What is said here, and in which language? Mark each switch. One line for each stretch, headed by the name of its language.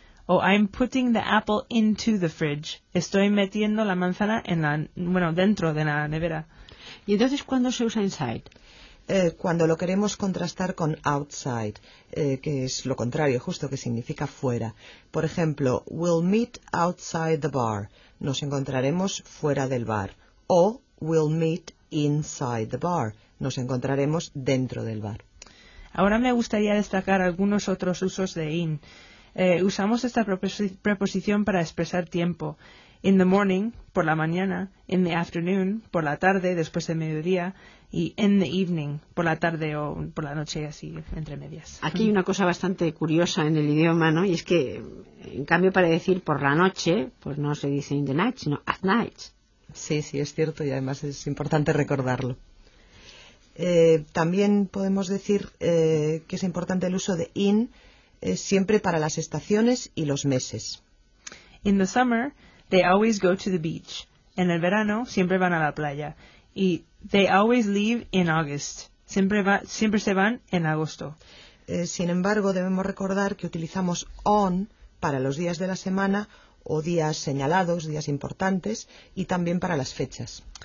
English: O I'm putting the apple into the fridge.
Spanish: Estoy metiendo la manzana en la, bueno, dentro de la nevera. ¿Y entonces cuándo se usa inside? Cuando lo queremos contrastar con outside, que es lo contrario, justo, que significa fuera. Por ejemplo,
English: we'll meet outside the bar.
Spanish: Nos encontraremos fuera del bar. O
English: we'll meet inside the bar.
Spanish: Nos encontraremos dentro del bar. Ahora me gustaría destacar algunos otros usos de in. Usamos esta preposición para expresar tiempo.
English: In the morning,
Spanish: por la mañana.
English: In the afternoon,
Spanish: por la tarde, después de mediodía. Y
English: in the evening,
Spanish: por la tarde o por la noche, así, entre medias. Aquí hay una cosa bastante curiosa en el idioma, ¿no? Y es que, en cambio, para decir por la noche, pues no se dice
English: in the night,
Spanish: sino
English: at night.
Spanish: Sí, sí, es cierto, y además es importante recordarlo. También podemos decir que es importante el uso de in siempre para las estaciones y los meses.
English: In the summer, they always go to the beach.
Spanish: En el verano, siempre van a la playa. Y
English: they always leave in August.
Spanish: Siempre se van en agosto. Sin embargo, debemos recordar que utilizamos on para los días de la semana o días señalados, días importantes, y también para las fechas.